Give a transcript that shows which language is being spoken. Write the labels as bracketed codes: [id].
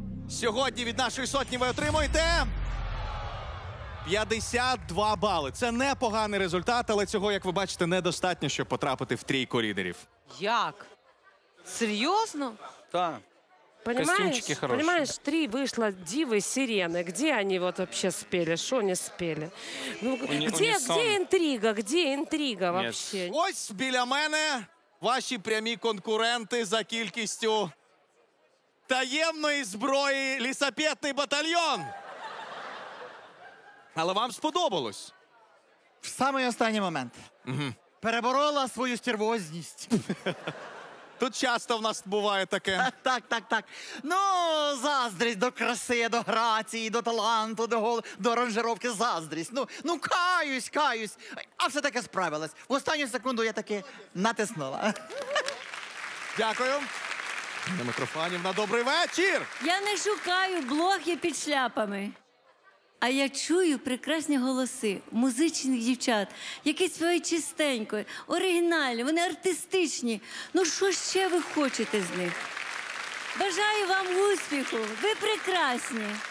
[uk] Сьогодні від нашої сотні ви отримуєте 52 бали. Це непоганий результат, але цього, як ви бачите, недостатньо, щоб потрапити в трійку лідерів. Як? Серйозно? Так. Костюмчики хороші. [ru] Понимаешь, три вийшла Діви, Сирени. Где они вот вообще спели? Что они спели? Ну, где интрига? Где интрига вообще? Нет. [uk] Ось біля мене ваші прямі конкуренти за кількістю таємної зброї лісопетний батальйон. Але вам сподобалось? В самий останній момент. Угу. Переборола свою стервозність. Тут часто в нас буває таке. Так, так, так. Ну, заздрість до краси, до грації, до таланту, до голу, до аранжировки, заздрість. [ru] Ну, каюсь, каюсь. А все-таки справилась. [uk] В останню секунду я таки натиснула. Дякую. На мікрофоні на добрий вечір. Я не шукаю блохи під шляпами. А я чую прекрасні голоси музичних дівчат, які свої чистенько, оригінальні, вони артистичні. Ну що ще ви хочете з них? Бажаю вам успіху, ви прекрасні.